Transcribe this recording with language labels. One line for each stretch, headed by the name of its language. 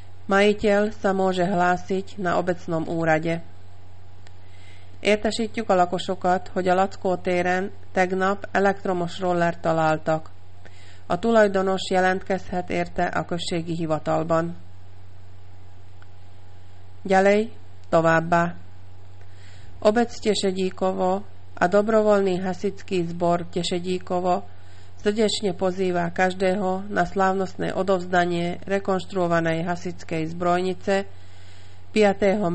Slovak: Majiteľ sa môže hlásiť na obecnom úrade.
Hungarian: Értesítjük a lakosokat, hogy a Lackó téren tegnap elektromos rollert találtak. A tulajdonos jelentkezhet érte a községi hivatalban.
Slovak: Ďalej, továbbá. Obec Tešedíkovo a dobrovoľný hasičský zbor Tešedíkovo srdečne pozýva každého na slávnostné odovzdanie rekonštruovanej hasičskej zbrojnice 5.